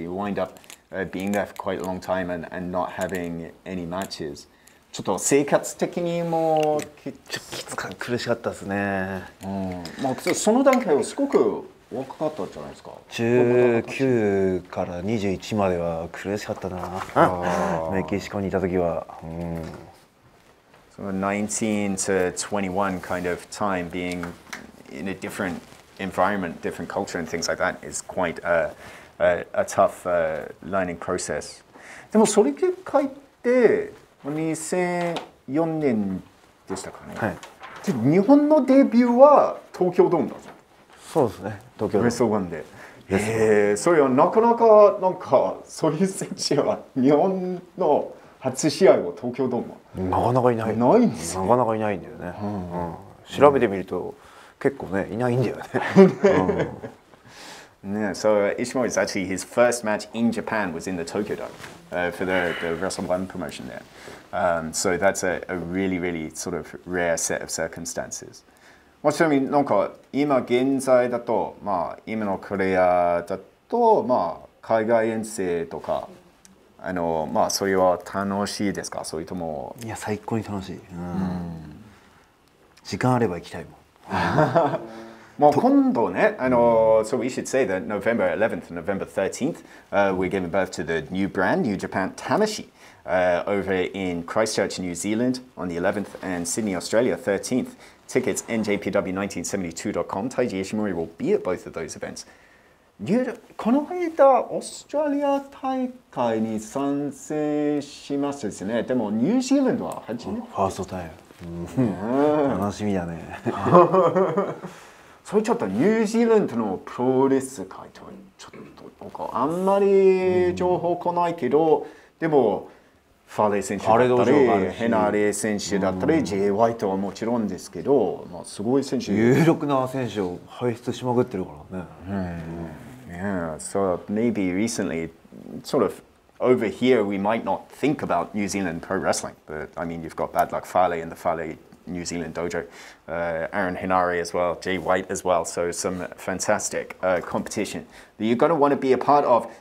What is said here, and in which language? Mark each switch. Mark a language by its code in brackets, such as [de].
[en] You wind up being there for quite a long time and not having any matches. [ja] ちょっと生活的にもちょっときつか苦しかったですね。うん、まあその段階はすごく若かったじゃないですか。 19から21までは苦しかったな。メキシコにいた時は、うん。 [en] So 19 to 21 kind of time being in a different environment, different culture and things like that is quite a tough learning process. [ja] でもそれくらいって2004年でしたかね。はい。日本のデビューは東京ドームだぞ。そうですね。東京ドーム。ウェストワンで。それはなかなかなんかそういう選手は日本の初試合は東京ドーム。なかなかいない。ないんですね。なかなかいないんだよね。うんうん、調べてみると、うん、結構ね、いないんだよね。 [en] ね、そう、Ishimori is actually his first match in Japan was in the Tokyo Dome, for the WrestleOne promotion there. So that's a really, really sort of rare set of circumstances. [ja] もちろんなんか今現在だと、まあ今のコリアだと、まあ海外遠征とか。あのまあそれは楽しいですか、それとも、いや最高に楽しい、うんうん、時間あれば行きたいもん。もう今度ね、あの、うん、 [en] So we should say that November 11th and November 13th、we're giving birth to the new brand New Japan Tamashii、over in Christchurch, New Zealand on the 11th and Sydney, Australia 13th. Tickets njpw1972.com. Taiji Ishimori will be at both of those events [ja] この間、オーストラリア大会に参戦しましたですね。でも、ニュージーランドは初めて。ファーストタイム。楽しみだね。それちょっとニュージーランドのプロレス界とはちょっと、なんかあんまり情報来ないけど、うん、でも、ファーレー選手だったり、ヘナーレー選手だったり、ジェイ・ワイトはもちろんですけど、まあ、すごい選手。有力な選手を輩出しまくってるからね。 [en] うん、Yeah, so maybe recently, sort of over here, we might not think about New Zealand pro wrestling. But I mean, you've got Bad Luck Fale in the Fale New Zealand Dojo, Aaron Henare as well, Jay White as well. So some fantastic competition that you're going to want to be a part of.